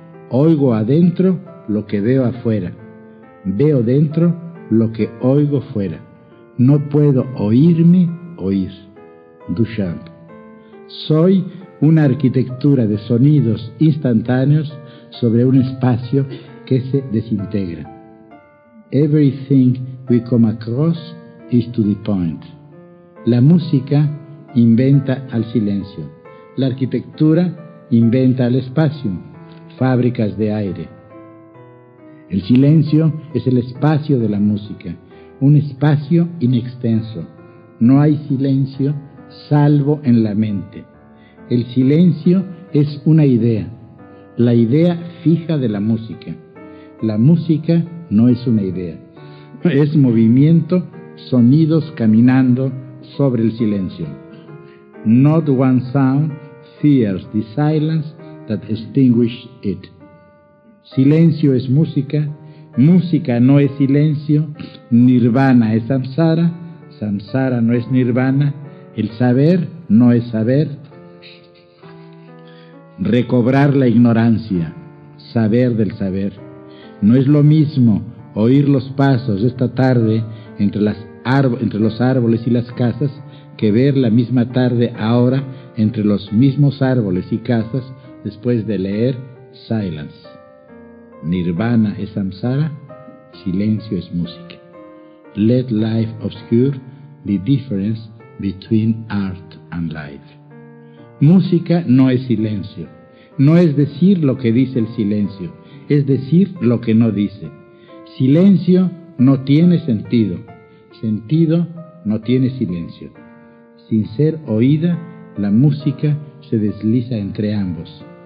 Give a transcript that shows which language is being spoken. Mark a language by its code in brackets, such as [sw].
[es] Oigo adentro lo que veo afuera. Veo dentro lo que oigo fuera. No puedo oírme oír. Duchamp. Soy una arquitectura de sonidos instantáneos sobre un espacio que se desintegra. [en] Everything we come across is to the point. [es] La música inventa al silencio. La arquitectura inventa al espacio, fábricas de aire. El silencio es el espacio de la música, un espacio inextenso. No hay silencio salvo en la mente. El silencio es una idea, la idea fija de la música. La música no es una idea, es movimiento, sonidos caminando sobre el silencio. [en] Not one sound fears the silence that extinguishes it. [es] Silencio es música, música no es silencio, nirvana es samsara, samsara no es nirvana, el saber no es saber. Recobrar la ignorancia, saber del saber. No es lo mismo oír los pasos esta tarde entre las entre los árboles y las casas que ver la misma tarde ahora entre los mismos árboles y casas después de leer Silence. Nirvana es samsara, silencio es música. [en] Let life obscure the difference between art and life. [es] Música no es silencio. No es decir lo que dice el silencio, es decir lo que no dice. Silencio no tiene sentido. Sentido no tiene silencio. Sin ser oída, la música se desliza entre ambos.